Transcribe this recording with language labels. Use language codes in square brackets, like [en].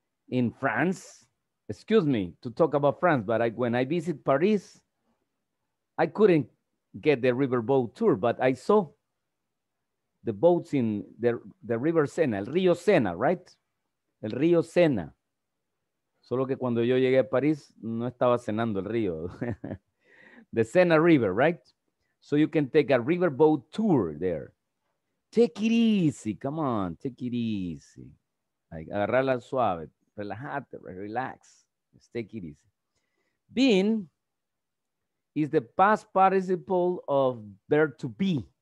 [en] In France, excuse me to talk about France, but when I visit Paris, I couldn't get the riverboat tour, but I saw the boats in the River Sena, el Río Sena, right? [es] El Río Sena. Solo que cuando yo llegué a París, no estaba cenando el río. [en] The Sena River, right? So you can take a riverboat tour there. Take it easy, come on, take it easy. Like, [es] agarrala suave, relajate, [en] relax. Let's take it easy. Been is the past participle of verb to be.